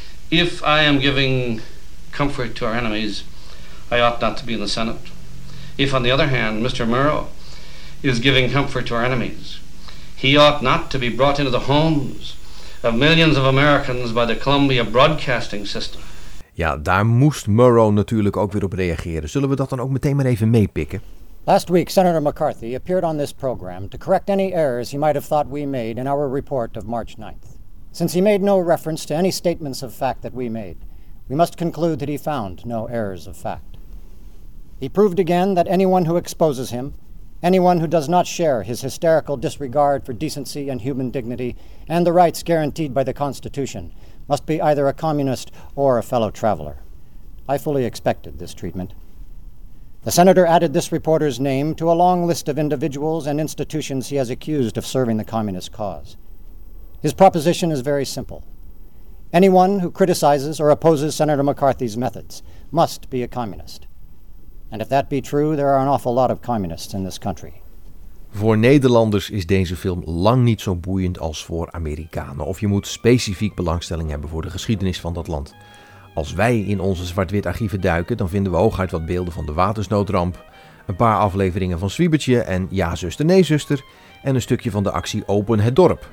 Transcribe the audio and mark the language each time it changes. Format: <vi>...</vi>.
<en>If I am giving comfort to our enemies, I ought not to be in the Senate. If, on the other hand, Mr. Murrow is giving comfort to our enemies, he ought not to be brought into the homes of millions of Americans by the Columbia Broadcasting System.</en> <nl>Ja, daar moest Murrow natuurlijk ook weer op reageren. Zullen we dat dan ook meteen maar even meepikken?</nl> <en>Last week, Senator McCarthy appeared on this program to correct any errors he might have thought we made in our report of March 9th. Since he made no reference to any statements of fact that we made, we must conclude that he found no errors of fact. He proved again that anyone who exposes him, anyone who does not share his hysterical disregard for decency and human dignity and the rights guaranteed by the Constitution, must be either a communist or a fellow traveler. I fully expected this treatment. The senator added this reporter's name to a long list of individuals and institutions he has accused of serving the communist cause. His proposition is very simple. Anyone who criticizes or opposes Senator McCarthy's methods must be a communist. And if that be true, there are an awful lot of communists in this country.</en> <nl>Voor Nederlanders is deze film lang niet zo boeiend als voor Amerikanen. Of je moet specifiek belangstelling hebben voor de geschiedenis van dat land. Als wij in onze zwart-wit archieven duiken, dan vinden we hooguit wat beelden van de watersnoodramp, een paar afleveringen van Zwiebertje en Ja, zuster, nee, zuster, en een stukje van de actie Open het dorp.</nl>